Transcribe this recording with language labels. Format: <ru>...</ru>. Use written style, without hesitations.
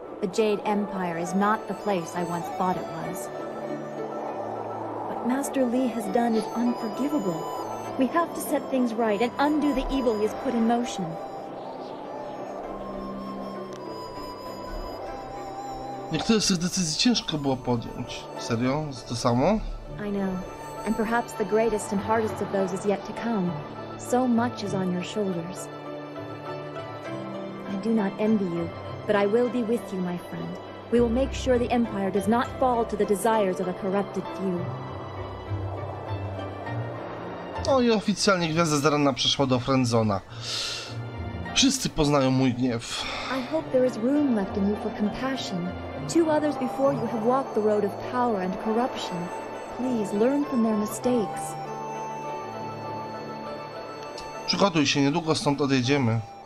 <en>The Jade Empire is not the place I once thought it was. What Master Li has done is unforgivable. We have to set things right and undo the evil he has put in motion.</en> <pl>Niektóre z tych decyzji ciężko było podjąć. Serio? To samo?</pl> <en>I know. And perhaps the greatest and hardest of those is yet to come. So much is on your shoulders. I do not envy you, but I will be with you, my friend. We will make sure the Empire does not fall to the desires of a corrupted few.</en> <pl>No i oficjalnie Gwiazda Zaranna przeszła do Friendzona. Wszyscy poznają mój gniew.</pl> <en>I hope there is room left in you for compassion. Two others before you have walked the road of power and corruption. Please learn from their mistakes.</en> <pl>Przygotuj się, niedługo stąd odjedziemy.</pl>